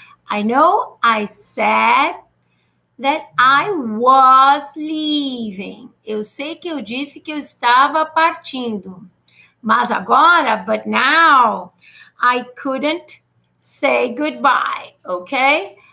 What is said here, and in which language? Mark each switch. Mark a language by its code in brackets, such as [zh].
[en] I know I said that I was leaving. [pt] Eu sei que eu disse que eu estava partindo. Mas agora, [en] but now, I couldn't say goodbye, ok?